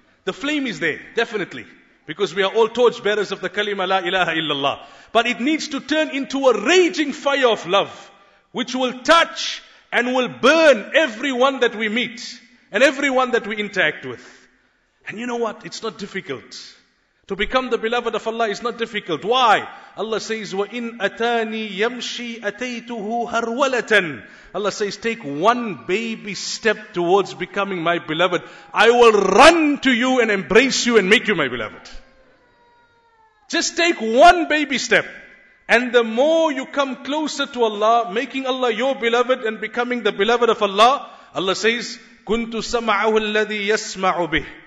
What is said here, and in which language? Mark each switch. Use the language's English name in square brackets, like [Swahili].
[English] The flame is there, definitely. Because we are all torch bearers of the kalima la ilaha illallah. But it needs to turn into a raging fire of love. Which will touch and will burn everyone that we meet. And everyone that we interact with. And you know what? It's not difficult. To become the beloved of Allah is not difficult. Why? Allah says, [Arabic] وَإِنْ أَتَانِي يَمْشِي أَتَيْتُهُ هَرْوَلَةً. [English] Allah says, take one baby step towards becoming my beloved. I will run to you and embrace you and make you my beloved. Just take one baby step. And the more you come closer to Allah, making Allah your beloved and becoming the beloved of Allah, Allah says, [Arabic] كُنْتُ سَمَعَهُ الَّذِي يَسْمَعُ بِهِ.